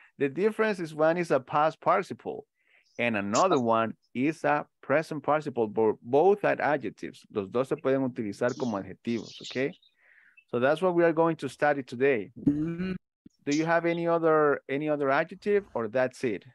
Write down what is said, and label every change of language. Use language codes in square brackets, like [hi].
[en] The difference is one is a past participle and another one is a present participle, but both are adjectives. [es] Los dos se pueden utilizar como adjetivos, [en] okay? So that's what we are going to study today. Do you have any other adjective or that's it?